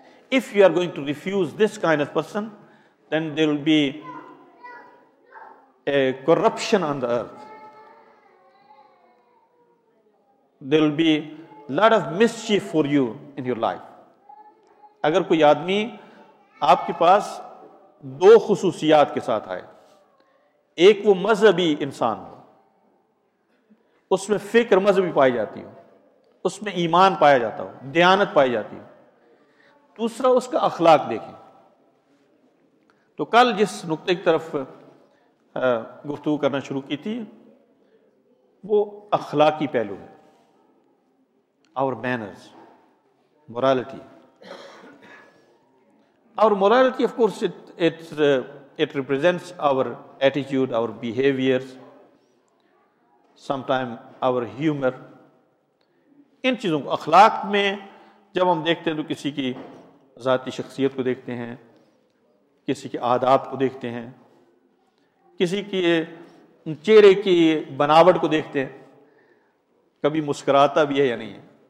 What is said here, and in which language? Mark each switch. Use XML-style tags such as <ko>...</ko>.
<en>If you are going to refuse this kind of person, then there will be a corruption on the earth. There will be a lot of mischief for you in your life.</en> <ur>اگر کوئی آدمی آپ کے پاس دو خصوصیات کے ساتھ آئے, ایک وہ مذہبی انسان ہو, اس میں فکر مذہبی پائی جاتی ہو, اس میں ایمان پایا جاتا ہو, دیانت پائی جاتی ہو, دوسرا اس کا اخلاق دیکھیں, تو کل جس نقطے کی طرف گفتگو کرنا شروع کی تھی وہ اخلاقی پہلو ہے, اور manners, morality.</ur> <en>Our morality, of course, it represents our attitude, our behaviors, sometimes our humor.</en> <ur>ان چیزوں کو اخلاق میں جب ہم دیکھتے ہیں تو کسی کی ذاتی شخصیت کو دیکھتے ہیں, کسی کے آداب کو دیکھتے ہیں, کسی کے چہرے کی بناوٹ کو دیکھتے ہیں کبھی مسکراتا بھی ہے یا نہیں ہے.</ur>